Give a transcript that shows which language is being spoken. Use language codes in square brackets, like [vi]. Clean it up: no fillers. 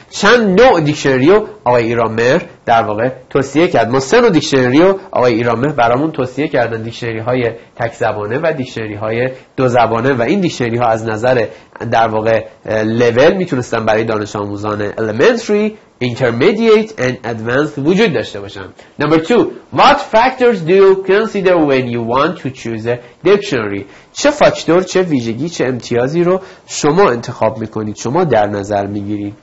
[fa] چند نوع دیکشنری رو آقای ایرامر در واقع توصیه کرد. ما سه نوع دیکشنری رو آقای ایرامر برامون توصیه کردن. دیکشنری های تک زبانه و دیکشنری های دو زبانه و این دیکشنری ها از نظر در واقع لول میتونستن برای دانش آموزان [en] elementary intermediate and advanced [fa] وجود داشته باشن. [en] Number 2, what factors do you consider when you want to choose a dictionary? [fa] چه فاکتور، چه ویژگی، چه امتیازی رو شما انتخاب می‌کنید؟ شما در نظر می‌گیرید.